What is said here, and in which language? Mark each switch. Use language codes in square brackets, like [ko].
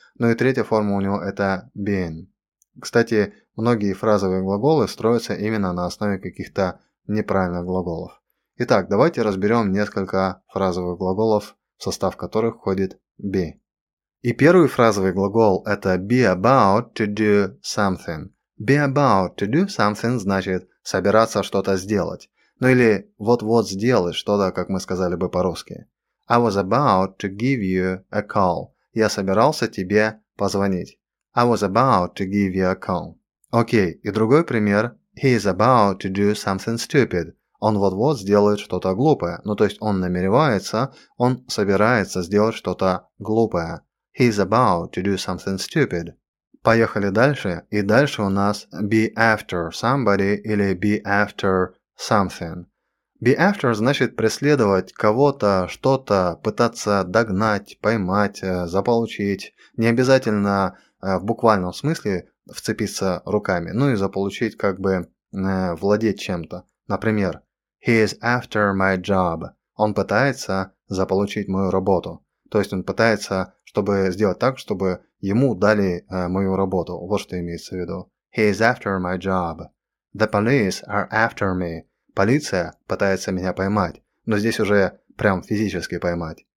[ru] Ну и третья форма у него это been. Кстати, многие фразовые глаголы строятся именно на основе каких-то неправильных глаголов. Итак, давайте разберем несколько фразовых глаголов, в состав которых входит be. И первый фразовый глагол это be about to do something. Be about to do something значит собираться что-то сделать. Ну или вот-вот сделать что-то, как мы сказали бы по-русски. [en] I was about to give you a call. [ru] Я собирался тебе позвонить. [en] I was about to give you a call. [ru] Окей, и другой пример. [en] He is about to do something stupid. [ru] Он вот-вот сделает что-то глупое. Ну то есть он намеревается, он собирается сделать что-то глупое. [en] He is about to do something stupid. [ru] Поехали дальше. И дальше у нас be after somebody или be after something. Be after значит преследовать кого-то, что-то, пытаться догнать, поймать, заполучить. Не обязательно в буквальном смысле вцепиться руками, ну и заполучить, как бы владеть чем-то. [en] Например, he is after my job. [ru] Он пытается заполучить мою работу. То есть он пытается, чтобы сделать так, чтобы ему дали мою работу. Вот что имеется в виду. [en] He is after my job. The police are after me. [ru] Полиция пытается меня поймать, но здесь уже прям физически поймать.